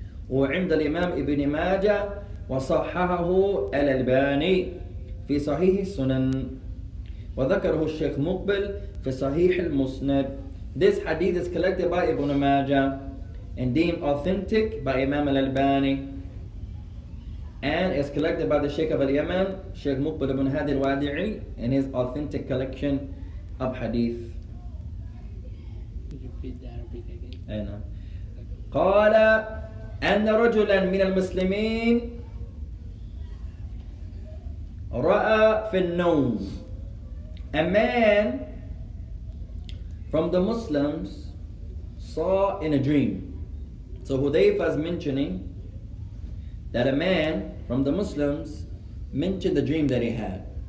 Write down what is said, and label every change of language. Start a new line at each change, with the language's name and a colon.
Arabic: وعند الإمام ابن ماجة وصححه الألباني في صحيح السنن وذكره الشيخ مقبل في صحيح المسند.
English: This hadith is collected by Ibn Majah and deemed authentic by Imam al-Albani and is collected by the Sheikh of Yemen, Sheikh Mukbil ibn Hadi al-Wadi'i, in his authentic collection of hadith. Could you repeat
Arabic: that? قال أن رجلا من المسلمين Ra'a fil nawm.
English: A man from the Muslims saw in a dream. So Hudhayfa is mentioning that a man from the Muslims mentioned the dream that he had.